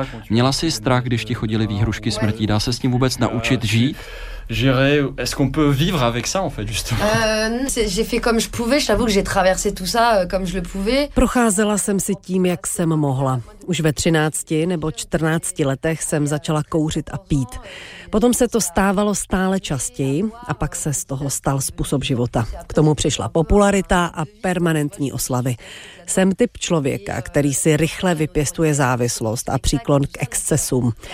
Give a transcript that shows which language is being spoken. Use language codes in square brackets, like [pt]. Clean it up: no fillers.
[cs] Měla jsi strach, když ti chodili výhrušky smrti? Dá se s tím vůbec naučit žít? [fr] Est-ce qu'on peut vivre avec ça en fait justement? J'ai fait comme je pouvais, je t'avoue que j'ai traversé tout ça comme je le pouvais. [cs] Procházela jsem si tím, jak jsem mohla. Už ve 13 nebo 14 letech jsem začala kouřit a pít. Potom se to stávalo stále častěji a pak se z toho stal způsob života. K tomu přišla popularita a permanentní oslavy. Jsem typ člověka, který si rychle vypěstuje závislost a příklon k excesům.